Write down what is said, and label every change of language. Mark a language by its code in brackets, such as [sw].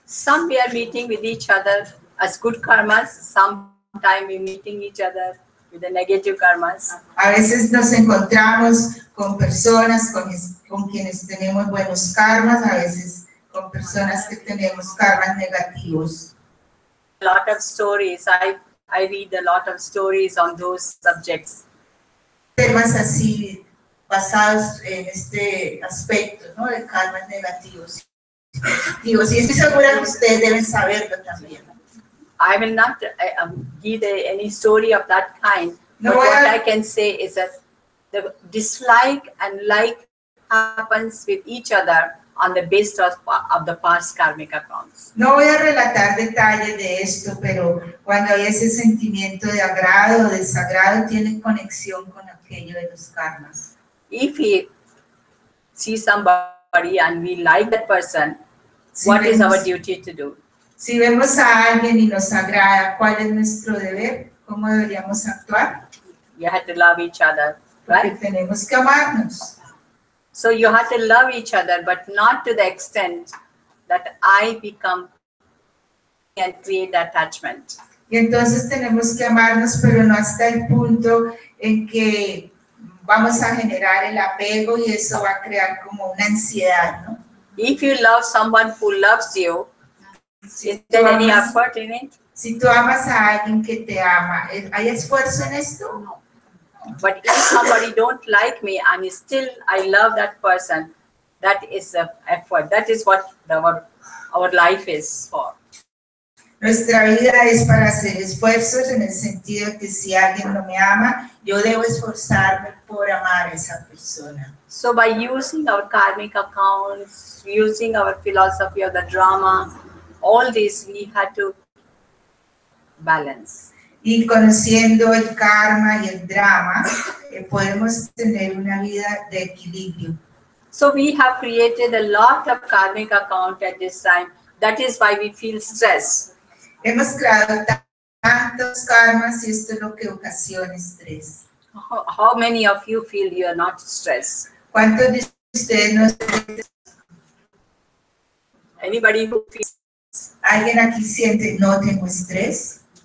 [en] Some we are meeting with each other as good karmas, sometime we are meeting each other with the negative karmas. [es] A veces nos encontramos con personas con quienes tenemos buenos karmas, a veces con personas que tenemos karmas negativos. [en] A lot of stories, I read a lot of stories on those subjects. [es] Temas así, basados en este aspecto, ¿no? De karma negativos. Y estoy segura que ustedes deben saberlo también. [en] I will not give any story of that kind. No, but what I can say is that the dislike and like happens with each other on the basis of the past karmic accounts. [es] No voy a relatar detalles de esto, pero cuando hay ese sentimiento de agrado o desagrado, tiene conexión con aquello de los karmas. [en] If we see somebody and we like that person, [es] si [en] what [es] vemos, [en] is our duty to do? [es] Si vemos a alguien y nos agrada, ¿cuál es nuestro deber? ¿Cómo deberíamos actuar? [en] You have to love each other, right? [es] Porque tenemos que amarnos. [en] So you have to love each other, but not to the extent that I become and create attachment. [es] Y entonces tenemos que amarnos, pero no hasta el punto en que vamos a generar el apego y eso va a crear como una ansiedad, ¿no? [en] If you love someone who loves you, [es] si [en] is there [es] amas, [en] any effort in it? [es] Si tú amas a alguien que te ama, ¿hay esfuerzo en esto? No. [en] But if somebody don't like me and still I love that person, that is a effort. That is what our life is for. [es] Nuestra vida es para hacer esfuerzos en el sentido que si alguien no me ama, yo debo esforzarme por amar a esa persona. [en] So by using our karmic accounts, using our philosophy of the drama, all this we had to balance. [es] Y conociendo el karma y el drama, podemos tener una vida de equilibrio. [en] So we have created a lot of karmic account at this time. That is why we feel stress. [es] Hemos creado tantos karmas y esto es lo que ocasiona estrés. [en] How many of you feel you are not stressed? [es] ¿Cuántos de ustedes no están estresados? [en] Anybody who feels stress? [es] ¿Alguien aquí siente no tengo estrés?